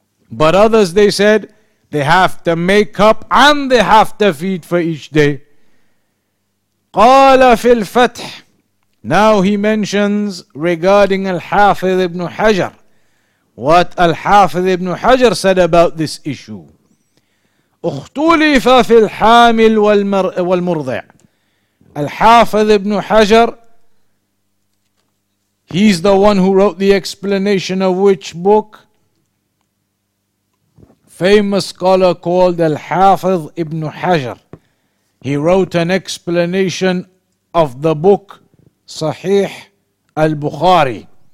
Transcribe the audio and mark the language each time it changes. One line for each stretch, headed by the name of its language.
English: But others, they said, they have to make up, and they have to feed for each day.
Arabic: قال في الفتح.
English: Now he mentions regarding Al-Hafidh ibn Hajar, what Al-Hafidh ibn Hajar said about this issue.
Arabic: اختلف في الحامل والمرضع.
English: Al-Hafidh ibn Hajar, he's the one who wrote the explanation of which book? Famous scholar called Al-Hafidh ibn Hajar. He wrote an explanation of the book Sahih al-Bukhari.